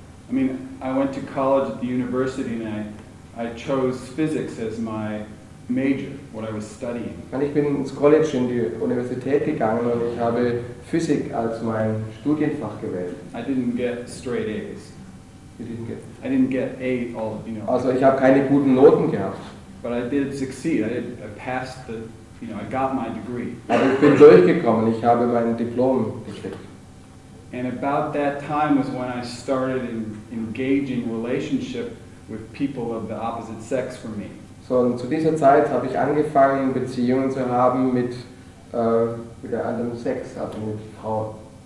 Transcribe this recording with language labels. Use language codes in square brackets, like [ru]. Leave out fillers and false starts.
[en] I mean, I went to college at the university and I chose physics as my major, what I was studying. [de] Ich bin ins College in die Universität gegangen und ich habe Physik als mein Studienfach gewählt. [en] I didn't get straight A's. You didn't get. I didn't get A all, you know. [de] Also ich habe keine guten Noten gehabt. [en] But I did succeed. I passed the, you know, I got my degree. [de] Aber ich bin durchgekommen. Ich habe mein Diplom gekriegt. [en] And about that time was when I started engaging relationship with people of the opposite sex for me. [de] So und zu dieser Zeit habe ich angefangen Beziehungen zu haben mit der anderen Sex, also mit Frauen.